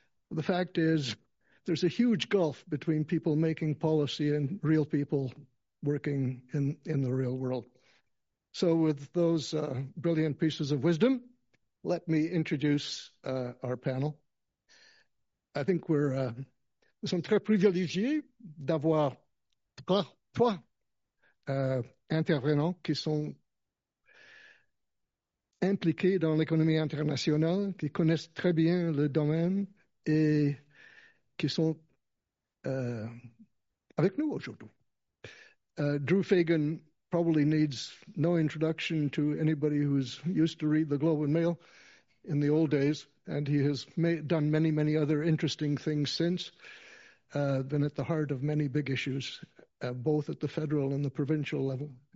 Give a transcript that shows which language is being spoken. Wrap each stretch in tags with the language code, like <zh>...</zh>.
<en>The fact is, there's a huge gulf between people making policy and real people working in the real world. So with those brilliant pieces of wisdom, let me introduce our panel. I think we're</en> <fr>nous sommes très privilégiés d'avoir trois intervenants qui sont impliqués dans l'économie internationale, qui connaissent très bien le domaine et qui sont avec nous aujourd'hui.</fr> <en>Drew Fagan probably needs no introduction to anybody who's used to read the Globe and Mail in the old days, and he has done many, many other interesting things since, been at the heart of many big issues, both at the federal and the provincial level.</en>